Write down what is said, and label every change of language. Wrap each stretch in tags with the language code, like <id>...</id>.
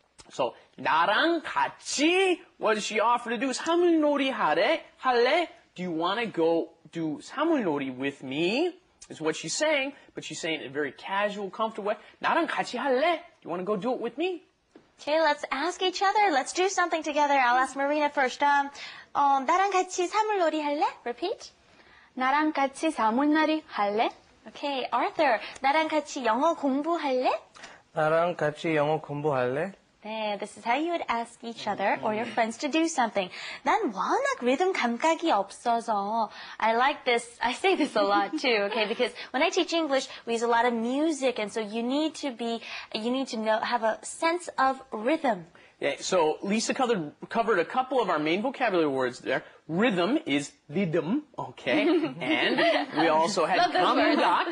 <en>So,</en> <ko>나랑 같이,</ko> <en>what does she offer to do?</en> <ko>사물놀이 할래?</ko> <en>Do you want to go do 사물놀이 with me? Is what she's saying, but she's saying it in a very casual, comfortable way.</en> <ko>나랑 같이 할래?</ko> <en>Do you want to go do it with me? Okay, let's ask each other. Let's do something together. I'll ask Marina first.</en> <ko>나랑 같이 사물놀이 할래?</ko> <en>Repeat.</en> <ko>나랑 같이 사물놀이 할래?</ko> <en>Okay, Arthur.</en> <ko>나랑 같이 영어 공부할래? 나랑 같이 영어 공부할래?</ko> <en>네, this is how you would ask each other or your friends to do something.</en> <ko>난 워낙 리듬 감각이 없어서.</ko> <en>I like this. I say this a lot too, okay? Because when I teach English, we use a lot of music, and so you need to have a sense of rhythm. Yeah, so Lisa covered a couple of our main vocabulary words there. Rhythm is 리듬, okay? And we also had 감각.</en>